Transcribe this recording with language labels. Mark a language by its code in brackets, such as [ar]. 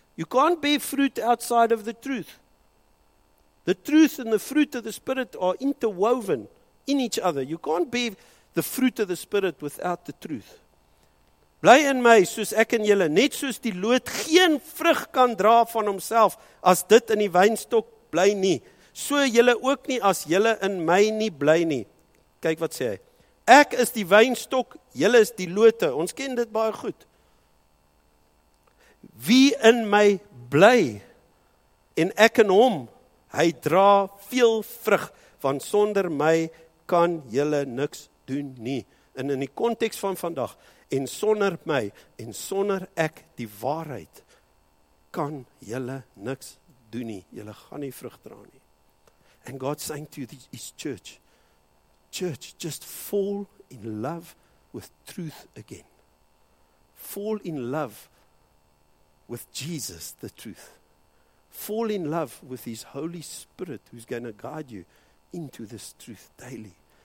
[en] You can't bear fruit outside of the truth. The truth and the fruit of the Spirit are interwoven in each other. You can't bear the fruit of the Spirit without the truth. [af] Bly in my, soos ek en julle, net soos die loot geen vrug kan dra van homself, as dit in die wynstok bly nie. So julle ook nie, as julle in my nie bly nie. Kyk wat sê hy. Ek is die wynstok, julle is die lote. Ons ken dit baie goed. Wie in my bly, en ek in hom, hy dra veel vrug, want sonder my kan julle niks doen nie. En in die context van vandag, en sonder my, en sonder ek die waarheid, kan julle niks doen nie. Julle gaan nie vrug dra nie. [en] And God's saying to his church, church, just fall in love with truth again. Fall in love with Jesus, the truth. Fall in love with his Holy Spirit who's going to guide you into this truth daily.